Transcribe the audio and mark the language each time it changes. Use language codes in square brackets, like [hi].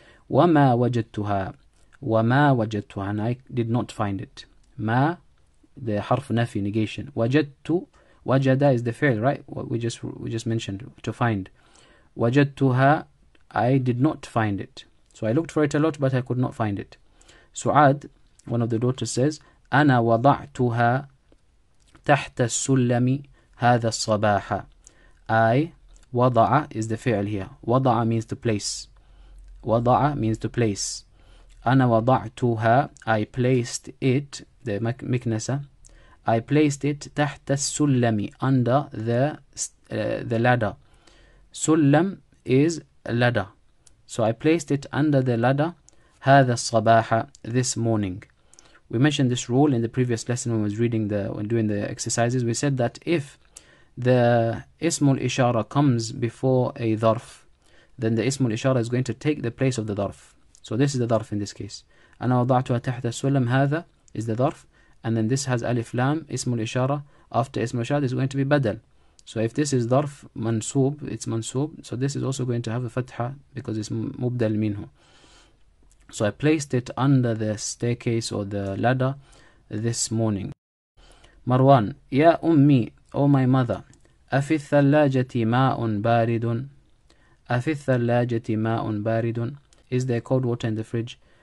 [ar] وما وجدتها. وما وجدتها. [en] And I did not find it. [ar] ما, the حرف نفي, negation. وجدت. [en] وجد is the فعل, right? We just mentioned. To find. وجدتها. I did not find it. So I looked for it a lot, but I could not find it. سعاد, one of the daughters, says, [ar] أنا وضعتها تحت السلم هذا الصباح. [en] I, وضع is the فعل here. وضع means to place. وضع means to place. [ar] أنا وضعتها, [en] I placed it, the مكنسة, I placed it [ar] تحت السلم, [en] under the ladder. سلم is ladder. So I placed it under the ladder, هذا الصباح, this morning. We mentioned this rule in the previous lesson when we was reading the, when doing the exercises. We said that if the ismul ishara comes before a dharf, then the ismul ishara is going to take the place of the dharf. So this is the dharf in this case. [ar] أنا وضعتها تحت السلم, هذا [en] is the dharf. And then this has alif lam, ismul ishara. After ismul ishara is going to be badal. So if this is dharf mansub, it's mansub. So this is also going to have a fatha because it's mubdal minhu. So I placed it under the staircase or the ladder this morning. Marwan, Ya Ummi, O my mother, [ar] أفي الثلاجة ماء بارد؟ [en] أفي الثلاجة ماء بارد؟ Is there cold water in the fridge?